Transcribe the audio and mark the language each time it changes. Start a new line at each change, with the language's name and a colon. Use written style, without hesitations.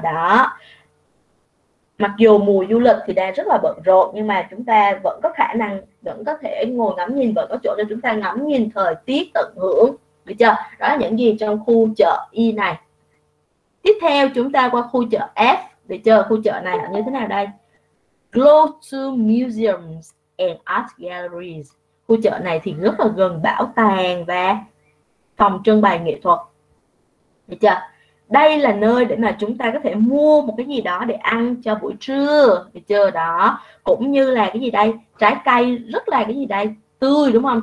Vietnamese: Đó, mặc dù mùa du lịch thì đang rất là bận rộn, nhưng mà chúng ta vẫn có khả năng, vẫn có thể ngồi ngắm nhìn, vẫn có chỗ cho chúng ta ngắm nhìn thời tiết, tận hưởng, được chưa? Đó là những gì trong khu chợ Y này. Tiếp theo chúng ta qua khu chợ F, được chưa? Khu chợ này là như thế nào đây?
English: Close to museums and art galleries.
Vietnamese: Khu chợ này thì rất là gần bảo tàng và phòng trưng bày nghệ thuật, được chưa? Đây là nơi để mà chúng ta có thể mua một cái gì đó để ăn cho buổi trưa, được chưa? Đó, cũng như là cái gì đây, trái cây, rất là cái gì đây, tươi đúng không?